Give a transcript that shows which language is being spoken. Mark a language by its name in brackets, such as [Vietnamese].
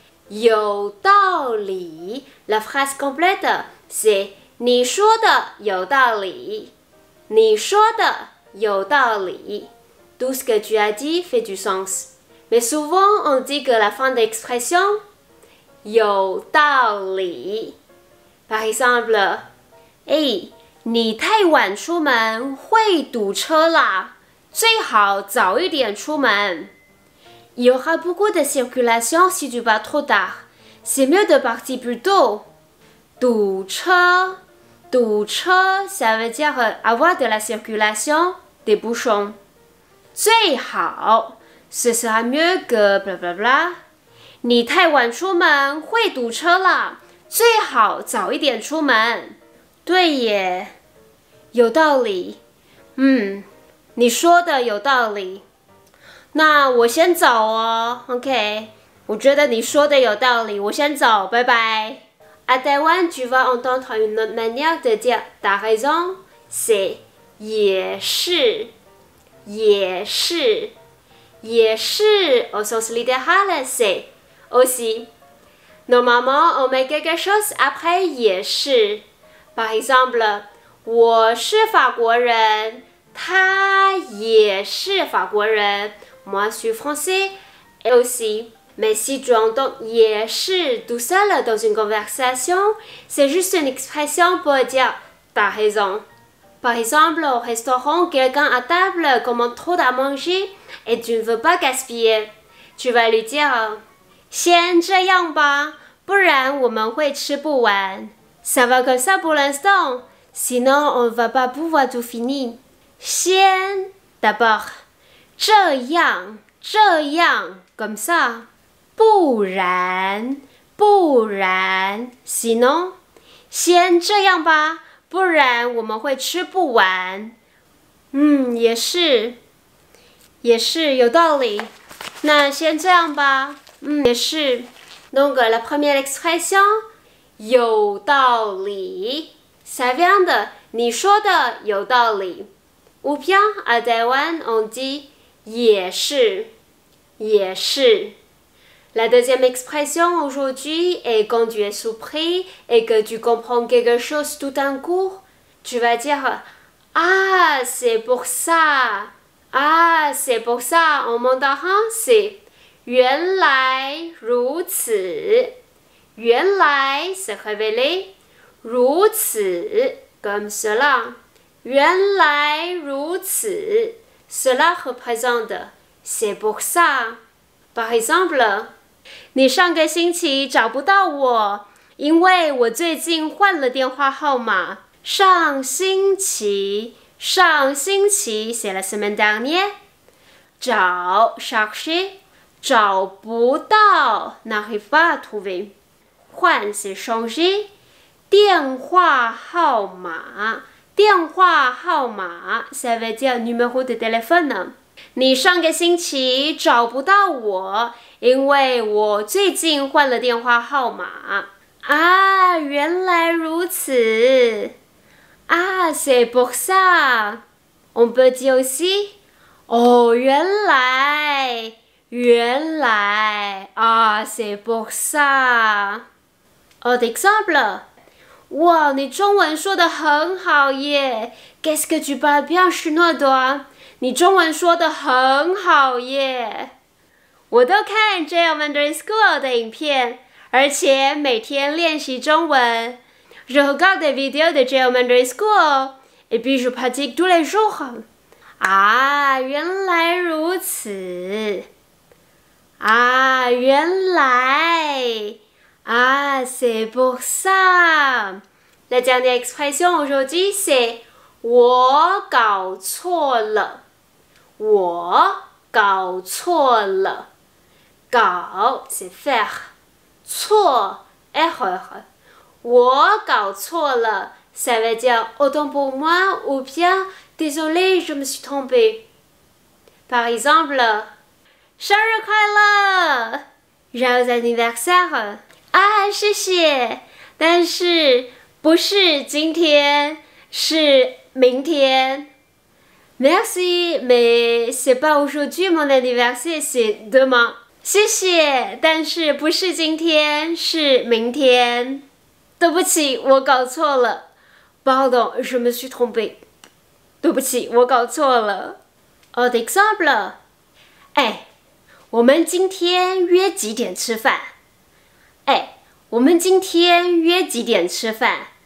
[Chinese] Yo, dali, [French] la phrase complète, c'est [Chinese] Ni shuo de you dali. Ni shuo de you dali. [French] Tout ce que tu as dit fait du sens. Mais souvent, on dit que la fin d'expression, [Chinese] Yo, dali. Par exemple, Hey,你太晚出门会堵车啦，最好早一点出门。 [French] Il y aura beaucoup de circulation si tu vas trop tard. C'est mieux de partir plus tôt. 堵车，堵车 ça veut dire avoir de la circulation, des bouchons. 最好 ce sera mieux que bla bla bla. [Chinese] 你太晚出门会堵车啦，最好早一点出门。对耶。有道理，嗯，你说的有道理。那我先走哦 ，OK。我觉得你说的有道理，我先走，拜拜。 [French] À Taiwan, tu vas entendre une autre manière de dire "t'as raison", c'est [Chinese] "也是，也是，也是 [French] ".Au sens littéral, c'est aussi. Normalement, on met quelque chose après "也是 ".Par exemple. [Chinese] 我是法国人，他也是法国人。 [French] Moi suis français, elle aussi. Mais si tu entends 也是 tout seul dans une conversation, c'est juste une expression pour dire t'as raison. Par exemple, au restaurant, quelqu'un à table commande trop à manger et tu ne veux pas gaspiller. Tu vas lui dire [Chinese] 先这样吧，不然我们会吃不完。 [French] Ça va comme ça pour l'instant. Sinon, on ne va pas pouvoir tout finir. 先, d'abord. 这样, 这样, comme ça. [Chinese] 不然, 不然, sinon. 先这样吧, 不然我们会吃不完。嗯，也是。也是，有道理。那先这样吧。嗯，也是。 [French] Donc, la première expression, 有道理。 Ça vient de « [Chinese] ni shuo de you dao li ». [French] Ou bien, à Taiwan, on dit « yé shi ».« Yé shi ». La deuxième expression aujourd'hui est quand tu es surpris et que tu comprends quelque chose tout d'un coup, tu vas dire « Ah, c'est pour ça !»« Ah, c'est pour ça !» En mandarin, c'est « [Chinese] 原来如此。」 [French] « 原来se révéler ». 如此 comme cela. [Chinese] 原来如此 [French] cela représente c'est pour ça. [Chinese] Par exemple, 你上个星期找不到我，因为我最近换了电话号码。 [French] 上星期，上星期 c'est la semaine dernière. 找 chercher, 找不到 n'arrive pas à trouver. 换 c'est changer. 电话号码，电话号码 ，ça veut dire numéro de téléphone. [Chinese] 你上个星期找不到我，因为我最近换了电话号码。啊，原来如此。啊 ， [French] c'est pour ça. On peut dire aussi. [Chinese] 哦，原来，原来。啊 [French] ，c'est pour ça. Autre exemple. [Chinese] 哇，你中文说得很好耶 [French] ！Qu'est-ce que tu parles bien chinois, toi？ [Chinese] 你中文说得很好耶！我都看 JO Mandarin School 的影片，而且每天练习中文。 [French] Je regarde des vidéos de JO Mandarin School et puis je pratique tous les jours。 [Chinese] 啊，原来如此！啊，原来。 [French] Ah, c'est pour ça. La dernière expression aujourd'hui, c'est [Chinese] 我搞错了。我搞错了。 [French] 搞 c'est faire， 错 erreur。 [Chinese] 我搞错了 [French] ，ça veut dire autant pour moi ou bien désolé, je me suis trompé。 Par exemple， [Chinese] 生日快乐 [French] ，joyeux anniversaire。 [Chinese] 啊，谢谢，但是不是今天，是明天。 [French] Merci, mais c'est pas aujourd'hui mon anniversaire, c'est demain. [Chinese] 谢谢，但是不是今天，是明天。对不起，我搞错了。 [French] Pardon, je me suis trompé. [Chinese] 对不起，我搞错了。 [French] Autre exemple. [Chinese] 哎，我们今天约几点吃饭？哎，我们今天约几点吃饭？